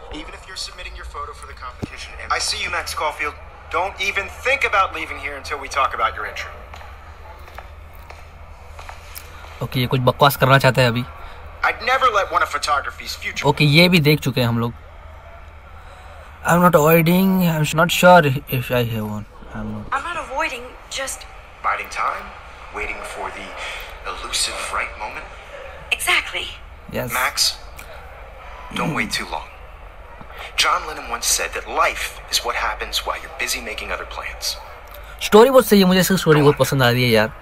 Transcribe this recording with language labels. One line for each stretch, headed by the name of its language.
English: Even if you're submitting your photo for the competition, and I see you, Max Caulfield. Don't even think about leaving here until we talk about your entry.
Hindi: Okay, ये कुछ बकवास करना चाहता है अभी।
English: I'd never let one of photography's future.
Hindi: Okay, ये भी देख चुके हैं हम लोग।
English: I'm not avoiding. I'm not sure if I have one. I'm not avoiding. Just biding time, waiting for the elusive right moment. Exactly. Yes. Max. Don't wait too long. John Lennon once said that life is what happens while you're busy making other plans.
Hindi: Story बहुत सही है, मुझे इसकी story बहुत पसंद आ रही है यार.